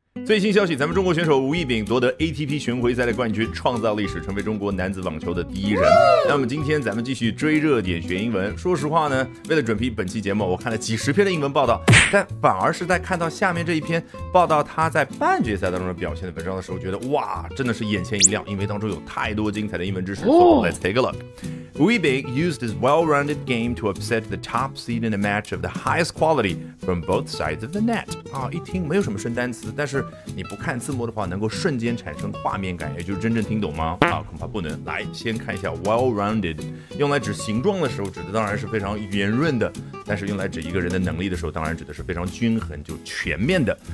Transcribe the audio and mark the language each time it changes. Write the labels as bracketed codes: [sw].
[zh] 最新消息，咱们中国选手吴亦丙夺得 ATP 巡回赛的冠军，创造历史，成为中国男子网球的第一人。那么今天咱们继续追热点学英文。说实话呢，为了准备本期节目，我看了几十篇的英文报道，但反而是在看到下面这一篇报道他在半决赛当中的表现的文章的时候，觉得哇，真的是眼前一亮，因为当中有太多精彩的英文知识。 [en] So let's take a look. 吴亦丙 used his well-rounded game to upset the top seed in a match of the highest quality from both sides of the net. [zh] 啊，一听没有什么深单词，但是你不看字幕的话，能够瞬间产生画面感，也就是真正听懂吗？啊，恐怕不能。来，先看一下 well-rounded， 用来指形状的时候，指的当然是非常圆润的；但是用来指一个人的能力的时候，当然指的是非常均衡，就全面的。